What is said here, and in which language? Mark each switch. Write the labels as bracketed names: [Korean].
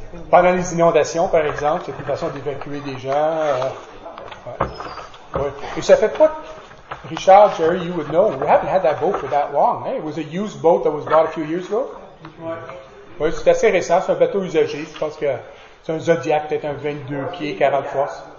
[French] Pendant les inondations, par exemple, c'est une façon d'évacuer des gens. Ouais. Et ça fait pas... [English] Richard, Jerry, you would know, we haven't had that boat for that long. Hey, it was a used boat that was bought a few years ago. Mm-hmm. [French] Oui, c'est assez récent, c'est un bateau usagé, je pense que... C'est un Zodiac, peut-être un 22 pieds, 40 fois.